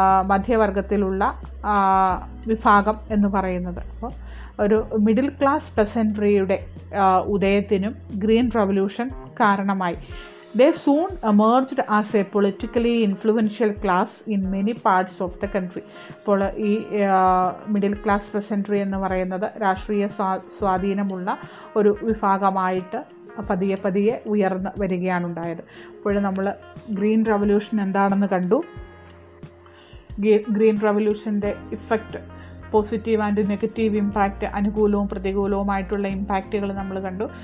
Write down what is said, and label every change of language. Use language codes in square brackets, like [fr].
[ml] മധ്യവർഗത്തിലുള്ള വിഭാഗം എന്ന് പറയുന്നത്. അപ്പോൾ ഒരു മിഡിൽ ക്ലാസ് പെസൻട്രിയുടെ ഉദയത്തിനും ഗ്രീൻ റവല്യൂഷൻ കാരണമായി. [en] They soon emerged as a politically influential class in many parts of the country. [ml] ഇപ്പോൾ ഈ മിഡിൽ ക്ലാസ് പെസൻട്രി എന്ന് പറയുന്നത് രാഷ്ട്രീയ സ്വാധീനമുള്ള ഒരു വിഭാഗമായിട്ട് പതിയെ പതിയെ ഉയർന്ന് വരികയാണ് ഉണ്ടായത്. ഇപ്പോൾ നമ്മൾ ഗ്രീൻ റവല്യൂഷൻ എന്താണെന്ന് കണ്ടു. Green റവല്യൂഷൻ്റെ effect, positive and negative impact, അനുകൂലവും പ്രതികൂലവുമായിട്ടുള്ള ഇമ്പാക്റ്റുകൾ നമ്മൾ കണ്ടു.